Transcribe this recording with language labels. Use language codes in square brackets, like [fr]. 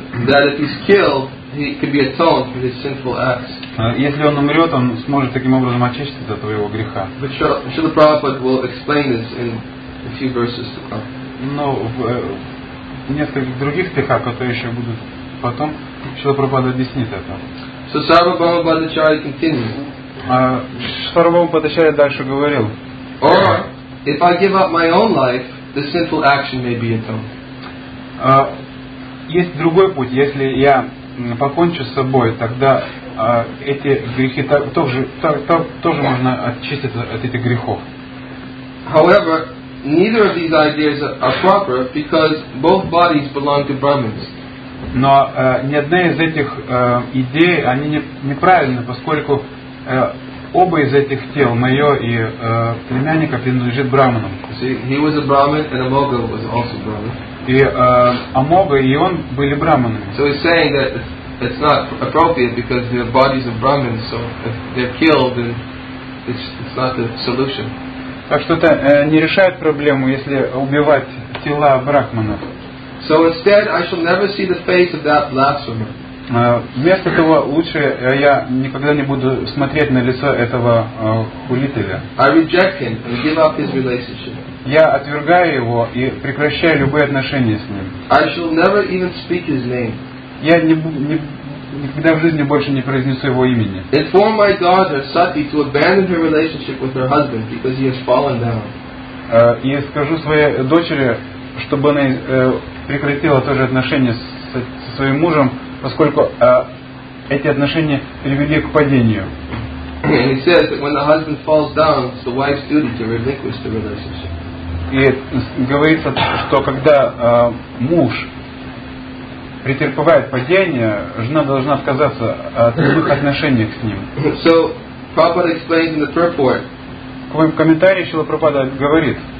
[en] That if he's killed, he could be atoned for his sinful acts. [ru] Если он умрет, он сможет таким образом очиститься от его греха. [en] But Srila Prabhupada will explain this in a few verses to come. [ru] Но в нескольких других стихах, которые еще будут потом, Srila Prabhupada объяснит это. [en] So Sarvabhauma Bhattacharya continues. [ru] Sarvabhauma Bhattacharya дальше говорил. [en] Or, if I give up my own life, the sinful action may be atoned. [ru] Есть другой путь, если я покончу с собой, тогда эти грехи тоже можно очиститься от этих грехов. [en] However, neither of these ideas are proper because both bodies belong to Brahmins. [ru] Но ни одна из этих идей они неправильны, поскольку оба из этих тел, мое и племянника, принадлежит Брахманам. [en] See, he was a Brahmin and Amoga was also a Brahmin. [ru] И Амога и он были брахманами. [en] So he's saying that it's not appropriate because their bodies are brahmins, so if they're killed, then it's not the solution. [ru] Так что это не решает проблему, если убивать тела брахманов. [en] So instead, I shall never see the face of that blasphemer. [ru] Вместо того, лучше я никогда не буду смотреть на лицо этого хулителя. [en] I reject him and give up his relationship. [ru] Я отвергаю его и прекращаю любые отношения с ним. [en] I shall never even speak his name. [ru] Я никогда в жизни больше не произнесу его имени. [en] Inform my daughter Sati to abandon her relationship with her husband because he has fallen down. [ru] И скажу своей дочери, чтобы она прекратила тоже отношения со своим мужем, поскольку эти отношения привели к падению. [en] And he says that when the husband falls down, it's the wife's duty to relinquish the relationship. [ru] И говорится, что когда муж претерпевает падение, жена должна отказаться от любых отношений с ним. [en] So, Prabhupada explains in the purport. [ru] В моем комментарии Шрила Прабхупада говорит,